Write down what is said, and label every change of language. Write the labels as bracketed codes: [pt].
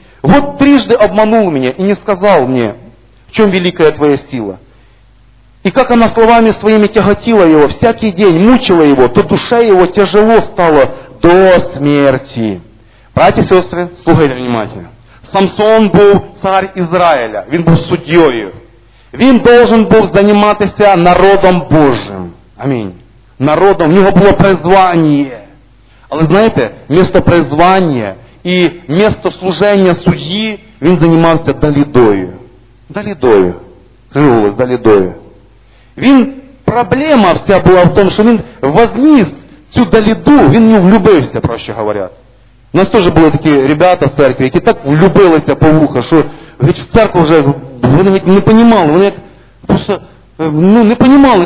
[ru] Вот трижды обманул меня и не сказал мне, в чем великая твоя сила. И как она словами своими тяготила его, всякий день мучила его, то душе его тяжело стало до смерти. Братья и сестры, слушайте внимательно. Самсон был царь Израиля, он был судьею. [uk] Він должен був займатися народом Божим. Амінь. Народом. У нього було призвання. Але знаєте, місто призвання і місто служення судді, він займався Далідою. Далідою. Кривулось, Далідою. Він, проблема вся була в тому, що він возніс цю Даліду, він не влюбився, про що говорять. У нас теж були такі ребята в церкві, які так влюбилися по вуха, що в церкву вже... Вони ведь не понимали, вони як просто не понимали.